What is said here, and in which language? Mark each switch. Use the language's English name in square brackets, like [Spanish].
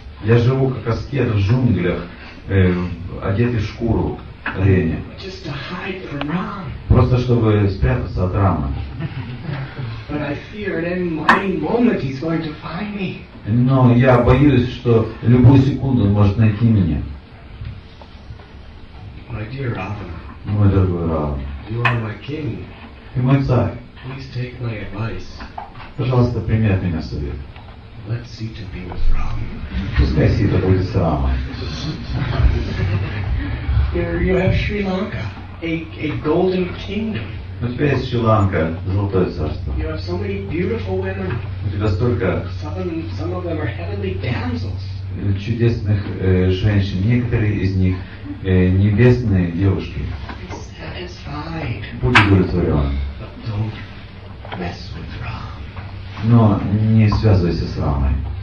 [Russian] Я живу как аскет в джунглях, одетый в шкуру. Оленя. [English] Just to hide from Ram. [Russian] Просто чтобы спрятаться от Рамы. [English] But I fear at any moment he's going to find me. [Russian] Но я боюсь, что любую секунду он может найти меня. [English] My dear Ravana. [Russian] Мой дорогой Равана. [English] You are my king. [Russian] Ты мой царь. [English] Please take my advice. [Russian] Пожалуйста, прими от меня совет. [English] Let Sita be with Ram. [Russian] Пускай Сита будет с Рамой. [English] Here you have Sri Lanka, a golden kingdom. [Russian] У тебя есть Шри-Ланка, золотое царство. [English] You have so many beautiful women. [Russian] У тебя столько. [English] Some of them are heavenly damsels. [Russian] Чудесных женщин. Некоторые из них небесные девушки. [English] Be satisfied. [Russian] Будь удовлетворен. [English] But don't mess with Ram. [Russian] Но не связывайся с Рамой.